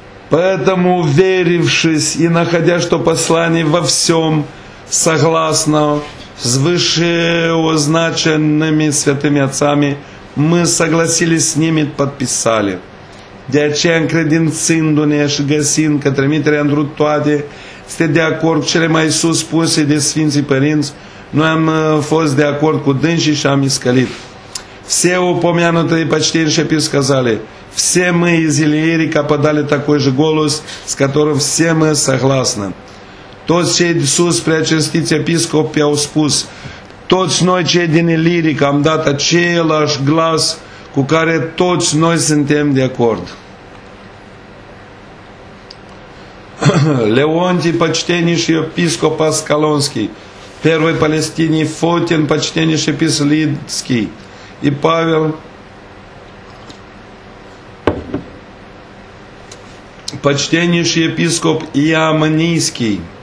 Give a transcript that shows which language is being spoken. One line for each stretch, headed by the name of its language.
Russian: Поэтому, уверившись и находя, что послание во всем согласно с вышеозначенными святыми отцами, мы согласились с ними, подписали.
Romanian: De aceea, încredințându-ne și găsind că trimiterea întru toate este de acord cu cele mai sus spuse de Sfinții Părinți, noi am fost de acord cu dânsii și am iscălit.
Russian: Все упомянутые почтеншепи сказали, все мы из Иллирика подали такой же голос, с которым все мы согласны.
Romanian: Toți cei de sus, preacinstiți episcopi, au spus, toți noi cei din Iliric am dat același glas cu care toți noi suntem de acord.
Russian: Леонтий, почтеннейший епископ Аскалонский, первый палестинский, Фотин, почтеннейший епископ Лидский и Павел, почтеннейший епископ Иоманнийский,